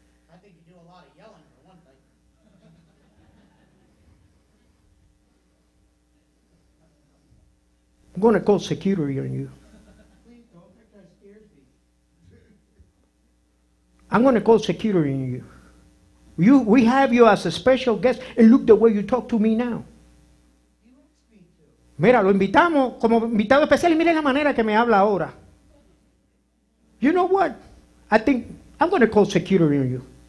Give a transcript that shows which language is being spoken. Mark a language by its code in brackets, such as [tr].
[en] I think you do a lot of yelling for one thing. I'm going to call security on you. I'm going to call security on you. We have you as a special guest, and look the way you talk to me now. [es] Mira, lo invitamos como invitado especial y mire la manera que me habla ahora. [en] You know what? I think I'm going to call security on you.